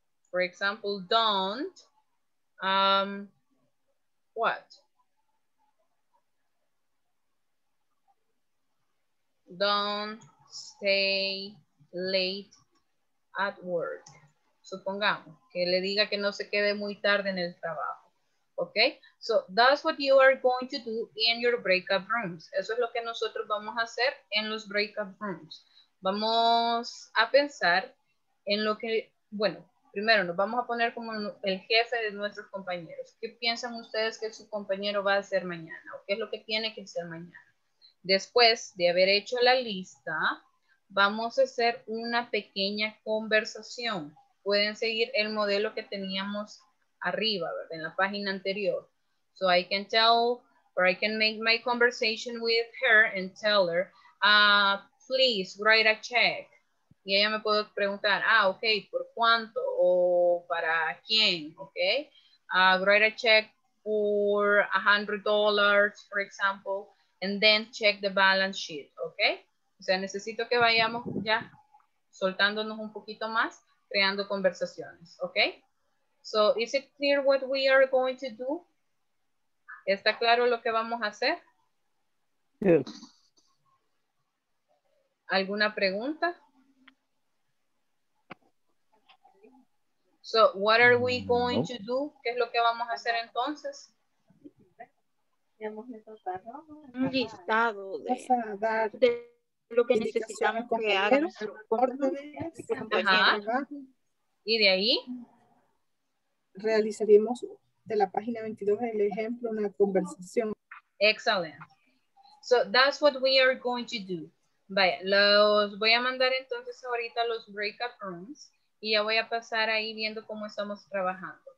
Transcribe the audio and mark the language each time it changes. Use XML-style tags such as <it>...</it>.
<en>For example, don't what? Don't stay late at work.</en> <es>Supongamos que le diga que no se quede muy tarde en el trabajo.</es> <en>Okay? So that's what you are going to do in your breakout rooms.</en> <es>Eso es lo que nosotros vamos a hacer en los breakout rooms. Vamos a pensar en lo que, bueno, primero nos vamos a poner como el jefe de nuestros compañeros. ¿Qué piensan ustedes que su compañero va a hacer mañana? ¿O qué es lo que tiene que hacer mañana? Después de haber hecho la lista, vamos a hacer una pequeña conversación. Pueden seguir el modelo que teníamos arriba, ¿verdad? En la página anterior.</es> <en>So I can tell, or I can make my conversation with her and tell her, please write a check.</en> <es>Y ella me puede preguntar, ah, okay, ¿por cuánto? O ¿para quién?</es> <en>Okay, write a check for $100, for example. And then check the balance sheet, okay?</en> <es>O sea, necesito que vayamos ya soltándonos un poquito más, creando conversaciones, okay?</es> <en>So, is it clear what we are going to do?</en> <es>¿Está claro lo que vamos a hacer?</es> <en>Yes.</en> <es>¿Alguna pregunta?</es> <en>So, what are we going to do?</en> <es>¿Qué es lo que vamos a hacer entonces? Un listado de lo que necesitamos que haga nuestro compañero. Y de ahí realizaríamos de la página 22 el ejemplo, una conversación. Excelente.</es> <en>So that's what we are going to do.</en> <es>Vaya, los voy a mandar entonces ahorita a los breakout rooms y ya voy a pasar ahí viendo cómo estamos trabajando.</es>